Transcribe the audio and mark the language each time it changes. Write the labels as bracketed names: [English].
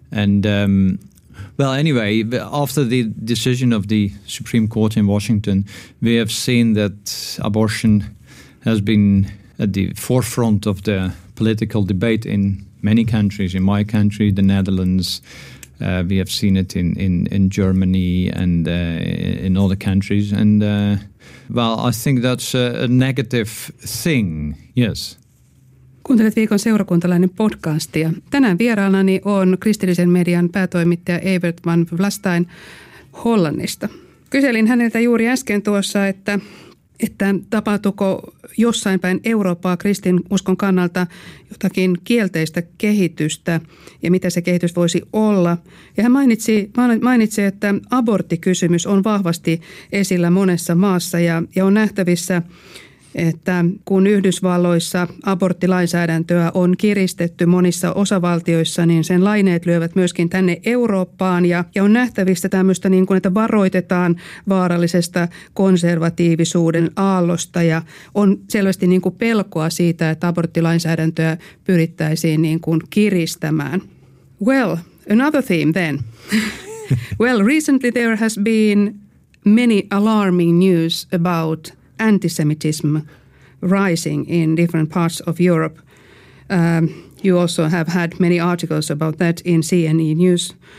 [English] And well, anyway, after the decision of the Supreme Court in Washington, we have seen that abortion has been at the forefront of the political debate in many countries. In my country, the Netherlands, we have seen it in Germany and in other countries. And well, I think that's a negative thing, yes. [Finnish] Kuuntelet viikon seurakuntalainen podcastia. Tänään vieraanani on kristillisen median päätoimittaja Evert van Vlastain Hollannista. Kyselin häneltä juuri äsken tuossa, että tapahtuuko jossain päin Eurooppaa kristinuskon kannalta jotakin kielteistä kehitystä ja mitä se kehitys voisi olla. Ja hän mainitsi, että aborttikysymys on vahvasti esillä monessa maassa ja on nähtävissä, että kun Yhdysvalloissa aborttilainsäädäntöä on kiristetty monissa osavaltioissa, niin sen laineet lyövät myöskin tänne Eurooppaan. Ja on nähtävissä tämmöistä, niin kuin, että varoitetaan vaarallisesta konservatiivisuuden aallosta. Ja on selvästi niin kuin pelkoa siitä, että aborttilainsäädäntöä pyrittäisiin niin kuin kiristämään. [English] Well, another theme then. Well, recently there has been many alarming news about antisemitism rising in different parts of Europe. You also have had many articles about that in CNE News.